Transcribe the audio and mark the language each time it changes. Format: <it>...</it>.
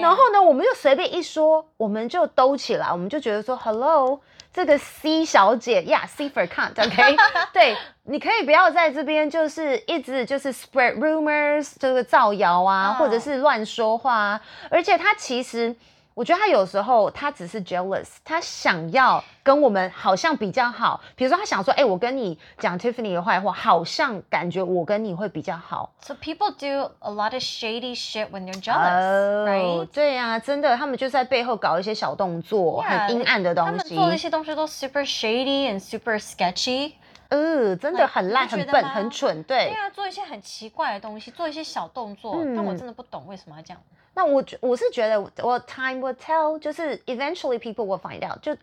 <zh>然后呢我们就随便一说我们就兜起来我们就觉得说 Hello 这个 C 小姐</zh> <en>Yeah C for cunt OK</en> <zh>对你可以不要在这边就是一直就是</zh> <en>spread rumors</en> <zh>就是造谣啊、oh. 或者是乱说话、啊、而且他其实我觉得他有时候他只是 jealous 他想要跟我们好像比较好比如说他想说、欸、我跟你讲 Tiffany 的坏话好像感觉我跟你会比较好</zh> <en>So people do a lot of shady shit when they're jealous、oh, right?</en> <zh>对啊真的他们就在背后搞一些小动作</zh> <en>yeah,</en> <zh>很阴暗的东西他们做的一些东西都</zh> <en>super shady and super sketchy、</en> <zh>真的很烂 like, 很笨很蠢 对, 对啊做一些很奇怪的东西做一些小动作、嗯、但我真的不懂为什么要这样那我是觉得我</zh> <en>time will tell 就是 eventually people will find out 就</en>